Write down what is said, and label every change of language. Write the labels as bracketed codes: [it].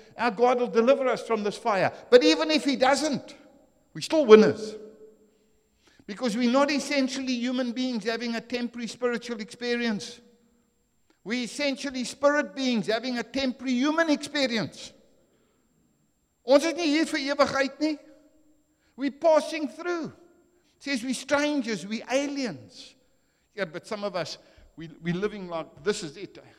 [en] Our God will deliver us from this fire. But even if he doesn't, we're still winners. Because we're not essentially human beings having a temporary spiritual experience. We're essentially spirit beings having a temporary human experience. [af] Ons is nie hier vir ewigheid nie. [en] We're passing through. It says we're strangers, we're aliens. Yeah, but some of us, we're living like this is it.